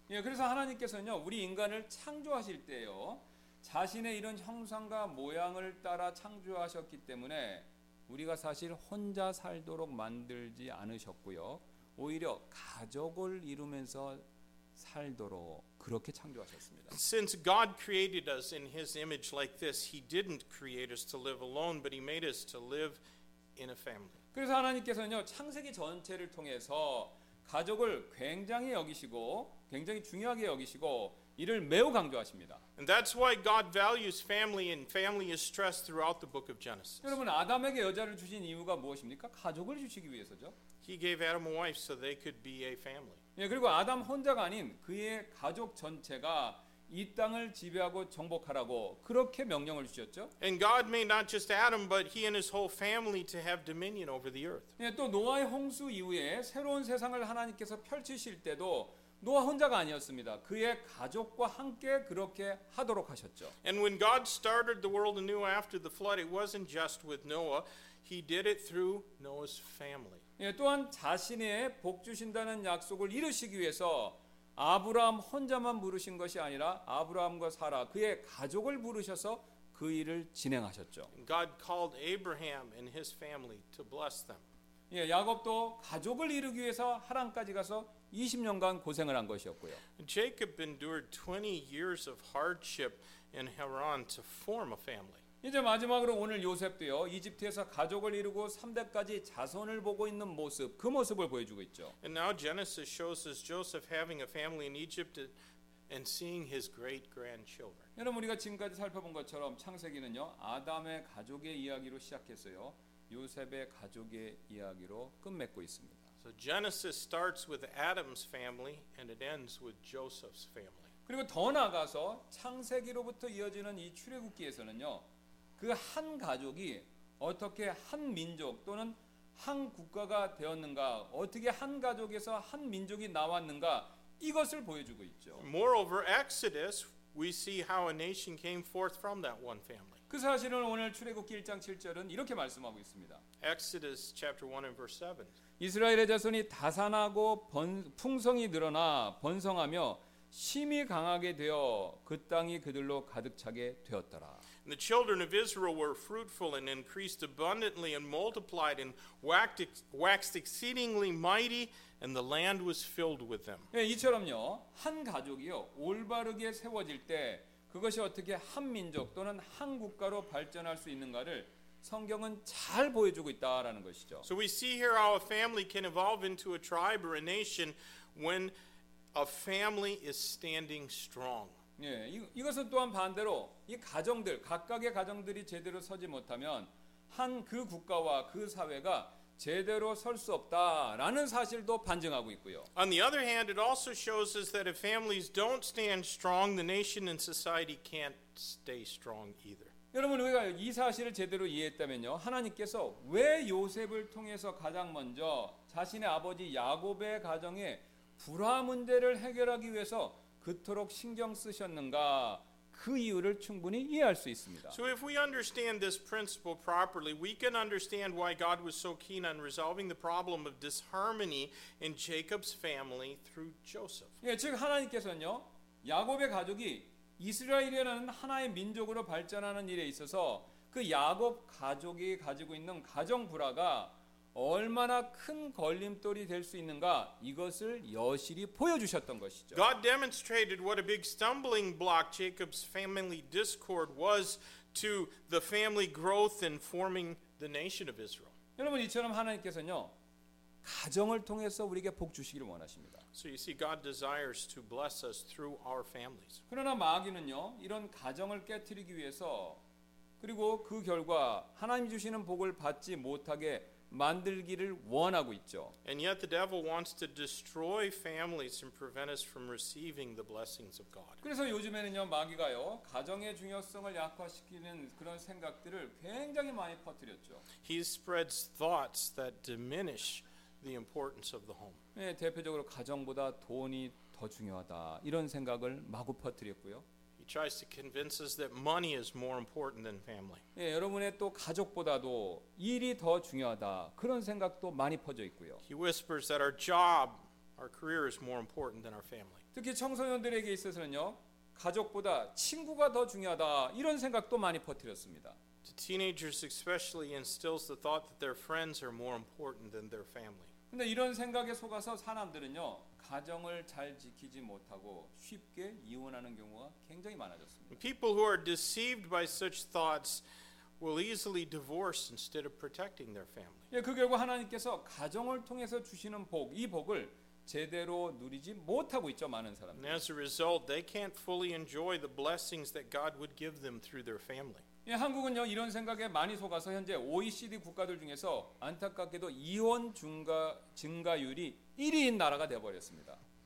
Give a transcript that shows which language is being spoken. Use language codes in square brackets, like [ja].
[ko] 예, 그래서 하나님께서는요. 우리 인간을 창조하실 때요. 자신의 이런 형상과 모양을 따라 창조하셨기 때문에 우리가 사실 혼자 살도록 만들지 않으셨고요. 오히려 가족을 이루면서 살도록 그렇게 창조하셨습니다. [en] Since God created us in his image like this, he didn't create us to live alone, but he made us to live in a family. [ko] 그래서 하나님께서는요, 창세기 전체를 통해서 가족을 굉장히 여기시고 굉장히 중요하게 여기시고 이를 매우 강조하십니다. [en] And that's why God values family and family is stressed throughout the book of Genesis. [ko] 여러분 아담에게 여자를 주신 이유가 무엇입니까? 가족을 주시기 위해서죠. [en] He gave Adam a wife so they could be a family. [ko] 예, 그리고 아담 혼자가 아닌 그의 가족 전체가 이 땅을 지배하고 정복하라고 그렇게 명령을 주셨죠. [en] And God made not just Adam but he and his whole family to have dominion over the earth. [ko] 예, 또 노아의 홍수 이후에 새로운 세상을 하나님께서 펼치실 때도 노아 혼자가 아니었습니다. 그의 가족과 함께 그렇게 하도록 하셨죠. [en] And when God started the world anew after the flood, it wasn't just with Noah. He did it through Noah's family. [ko] 예, 또한 자신의 복 주신다는 약속을 이루시기 위해서 아브라함 혼자만 부르신 것이 아니라 아브라함과 사라 그의 가족을 부르셔서 그 일을 진행하셨죠. [en] God called Abraham and his family to bless them. [ko] 예, 야곱도 가족을 이루기 위해서 하란까지 가서 20년간 고생을 한 것이었고요. [en] Jacob endured 20 years of hardship in Haran to form a family. [ko] 이제 마지막으로 오늘 요셉도요. 이집트에서 가족을 이루고 3대까지 자손을 보고 있는 모습, 그 모습을 보여주고 있죠. [en] And now Genesis shows us Joseph having a family in Egypt and seeing his great grandchildren. [ko] 여러분 우리가 지금까지 살펴본 것처럼 창세기는요. 아담의 가족의 이야기로 시작했어요. 요셉의 가족의 이야기로 끝맺고 있습니다. [en] So Genesis starts with Adam's family and it ends with Joseph's family. [ko] 그리고 더 나아가서 창세기로부터 이어지는 이 출애굽기에서는요. 그 한 가족이 어떻게 한 민족 또는 한 국가가 되었는가, 어떻게 한 가족에서 한 민족이 나왔는가 이것을 보여주고 있죠. [en] Moreover, Exodus, we see how a nation came forth from that one family. [ko] 그 사실을 오늘 출애굽기 1장 7절은 이렇게 말씀하고 있습니다. [en] Exodus chapter 1 and verse 7. [ko] 이스라엘의 자손이 다산하고 풍성이 늘어나 번성하며 심히 강하게 되어 그 땅이 그들로 가득 차게 되었더라. [en] And the children of Israel were fruitful and increased abundantly and multiplied and waxed exceedingly mighty and the land was filled with them. [ko] 예, 이처럼요. 한 가족이요. 올바르게 세워질 때 그것이 어떻게 한 민족 또는 한 국가로 발전할 수 있는가를 성경은 잘 보여주고 있다라는 것이죠. [en] So we see here how a family can evolve into a tribe or a nation when a family is standing strong. [ko] 예, 이것은 또한 반대로 이 가정들 각각의 가정들이 제대로 서지 못하면 한 그 국가와 그 사회가 제대로 설 수 없다라는 사실도 반증하고 있고요. [en] On the other hand, it also shows us that if families don't stand strong, the nation and society can't stay strong either. [ko] 여러분 우리가 이 사실을 제대로 이해했다면요. 하나님께서 왜 요셉을 통해서 가장 먼저 자신의 아버지 야곱의 가정의 불화 문제를 해결하기 위해서 그토록 신경 쓰셨는가? 그 이유를 충분히 이해할 수 있습니다. [en] So if we understand this principle properly, we can understand why God was so keen on resolving the problem of disharmony in Jacob's family through Joseph. [ko] 예, 즉 하나님께서는요, 야곱의 가족이 이스라엘이라는 하나의 민족으로 발전하는 일에 있어서 그 야곱 가족이 가지고 있는 가정 불화가 얼마나 큰 걸림돌이 될 수 있는가 이것을 여실히 보여주셨던 것이죠. [en] God demonstrated what a big stumbling block Jacob's family discord was to the family growth and forming the nation of Israel. [ko] 여러분 이처럼 하나님께서는요 가정을 통해서 우리에게 복 주시기를 원하십니다. [en] So you see, God desires to bless us through our families. [ko] 그러나 마귀는요 이런 가정을 깨뜨리기 위해서 그리고 그 결과 하나님 주시는 복을 받지 못하게 만들기를 원하고 있죠. [en] And yet the devil wants to destroy families and prevent us from receiving the blessings of God. [ko] 그래서 요즘에는요 마귀가요 가정의 중요성을 약화시키는 그런 생각들을 굉장히 많이 퍼뜨렸죠. [en] He spreads thoughts that diminish the importance of the home. [ko] 네, 대표적으로 가정보다 돈이 더 중요하다 이런 생각을 마구 퍼뜨렸고요. [en] He tries to convince us that money is more important than family. [ko] 예, 여러분의 또 가족보다도 일이 더 중요하다 그런 생각도 많이 퍼져 있고요. [en] He whispers that our job, our career is more important than our family. [ko] 특히 청소년들에게 있어서는요, 가족보다 친구가 더 중요하다 이런 생각도 많이 퍼뜨렸습니다. [en] To teenagers especially instills the thought that their friends are more important than their family. [ko] 근데 이런 생각에 속아서 사람들은요. 가정을 잘 지키지 못하고 쉽게 이혼하는 경우가 굉장히 많아졌습니다. [en] People who are deceived by such thoughts will easily divorce instead of protecting their family. [ko] 예, 그 결과 하나님께서 가정을 통해서 주시는 복, 이 복을 제대로 누리지 못하고 있죠, 많은 사람들. [en] As a result, they can't fully enjoy the blessings that God would give them through their family. [ko] 예, 한국은요 이런 생각에 많이 속아서 현재 OECD 국가들 중에서 안타깝게도 이혼 증가율이 1위인 나라가 되어버렸습니다.